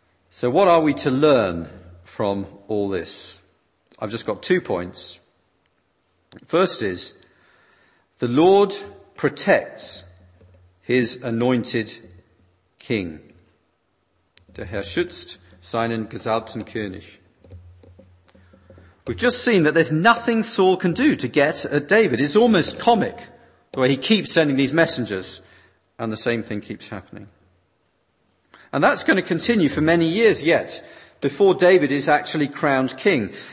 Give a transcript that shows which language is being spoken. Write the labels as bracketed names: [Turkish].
[English] So what are we to learn from all this? I've just got 2 points. First is, the Lord protects his anointed king. [German] Der Herr schützt seinen gesalbten König. [English] We've just seen that there's nothing Saul can do to get at David. It's almost comic the way he keeps sending these messengers and the same thing keeps happening. And that's going to continue for many years yet before David is actually crowned king.